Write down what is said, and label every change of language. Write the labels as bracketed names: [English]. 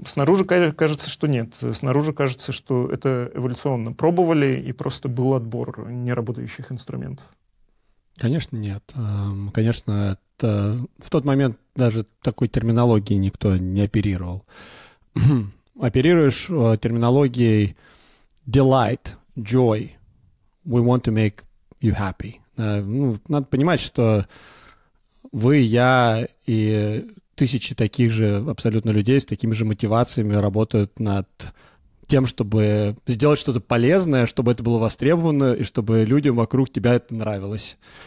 [Russian] Снаружи кажется, что нет. Снаружи кажется, что это эволюционно. Пробовали, и просто был отбор неработающих инструментов. Конечно, нет. Конечно, это в тот момент даже такой терминологии никто не оперировал. Оперируешь терминологией [English] delight, joy, we want to make you happy. [Russian] Ну, надо понимать, что вы, я и тысячи таких же абсолютно людей с такими же мотивациями работают над тем, чтобы сделать что-то полезное, чтобы это было востребовано и чтобы людям вокруг тебя это нравилось.